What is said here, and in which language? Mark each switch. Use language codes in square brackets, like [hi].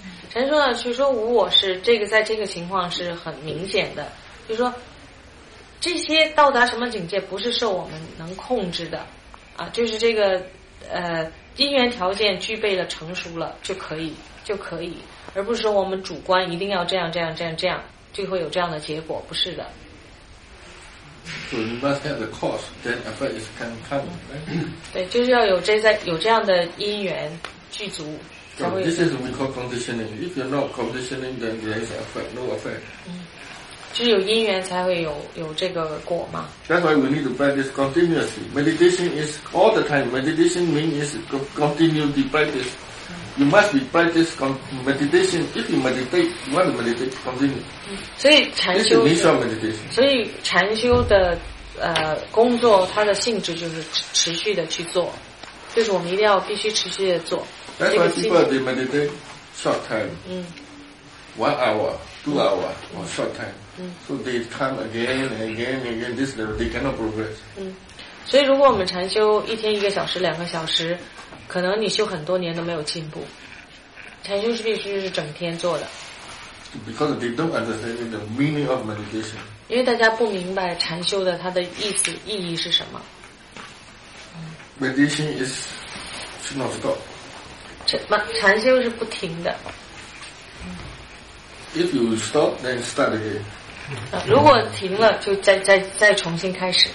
[zh] 陈说了，就说无我是这个，在这个情况是很明显的，就是说这些到达什么境界不是受我们能控制的啊，就是这个因缘条件具备了成熟了就可以，而不是说我们主观一定要这样就会有这样的结果，不是的。 [en] So you must have the cause, then effect is can come, right? [zh] 对，就是要有这样的因缘具足。 [en] So, this is what we call conditioning. If you're not conditioning, then there is effect, no effect. [zh] 就是有因缘才会有这个果嘛。 [en] That's why we need to practice continuously. Meditation is all the time. Meditation means continuously practice. You must be practice meditation. If you meditate, you want to meditate, continue. [zh] 所以禅修。 [en] This is initial meditation. [zh] 所以禅修的工作，它的性质就是持续的去做。就是我们一定要必须持续的做。 [en] That's why people they meditate short time. One hour, two hour, or short time. So they come again and again and again. This level, they cannot progress. [zh] 所以如果我们禅修一天一个小时、两个小时，可能你修很多年都没有进步。禅修是必须是整天做的。 [en] Because they don't understand the meaning of meditation. [zh] 因为大家不明白禅修的它的意思、意义是什么。 [en] Meditation is should not stop. [zh] 禅修是不停的。 [en] If you stop, then start again. [zh] 如果停了，就再重新开始。